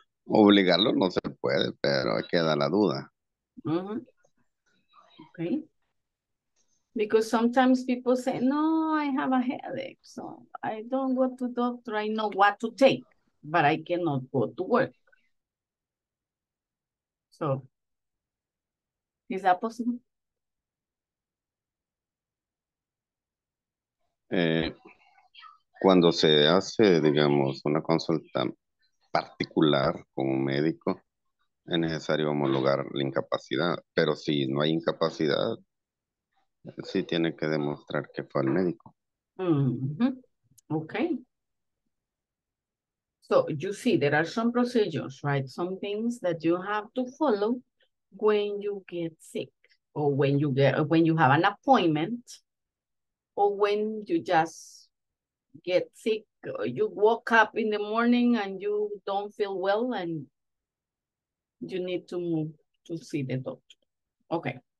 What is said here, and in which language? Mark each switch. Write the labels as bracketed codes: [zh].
[es] Obligarlo no se puede, pero queda la duda. Uh-huh. Okay. [en] Because sometimes people say, no, I have a headache, so I don't go to doctor. I know what to take, but I cannot go to work. So, is that possible? [es] Cuando se hace, digamos, una consulta particular con un médico, es necesario homologar la incapacidad. Pero si no hay incapacidad, sí, tiene que demostrar que fue al médico. Mm-hmm. Okay. [en] So, you see, there are some procedures, right? Some things that you have to follow when you get sick, or when you have an appointment, or when you just get sick, or you woke up in the morning and you don't feel well and you need to move to see the doctor. Okay.